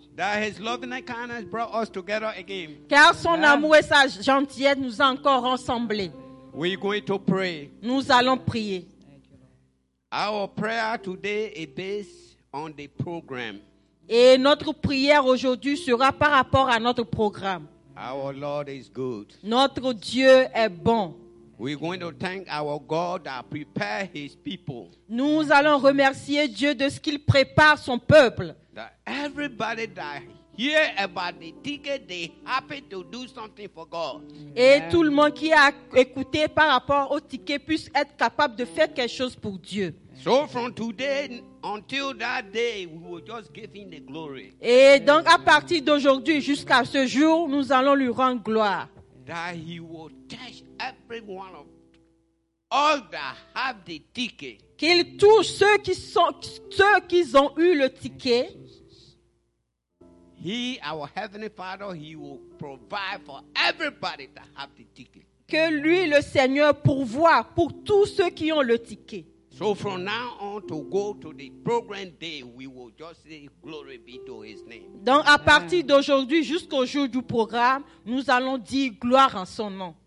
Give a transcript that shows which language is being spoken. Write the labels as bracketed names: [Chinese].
[English] That His loving kindness brought us together again. [French] Car son amour et sa gentillesse nous a encore rassemblés. [English] We're going to pray. [French] Nous allons prier. [English] Our prayer today is based on the program. [French] Et notre prière aujourd'hui sera par rapport à notre programme. [English] Our Lord is good. [French] Notre Dieu est bon. [English] We're going to thank our God that prepared His people. [French] Nous allons remercier Dieu de ce qu'il prépare son peuple. [English] That everybody that hear about the ticket, they happy to do something for God. [French] Et tout le monde qui a écouté par rapport au ticket puisse être capable de faire quelque chose pour Dieu. [English] So from today until that day, we will just give Him the glory. [French] Et donc à partir d'aujourd'hui jusqu'à ce jour, nous allons lui rendre gloire. [English] That He will touch every one of all that have the ticket. [French] Qu'il touche ceux qui ont eu le ticket. [English] He, our Heavenly Father, He will provide for everybody to have the ticket. [French] Que lui, le Seigneur, pourvoie pour tous ceux qui ont le ticket. [English] So from now on to go to the program day, we will just say glory be to His name. [French] Donc à partir d'aujourd'hui jusqu'au jour du programme, nous allons dire gloire en son nom.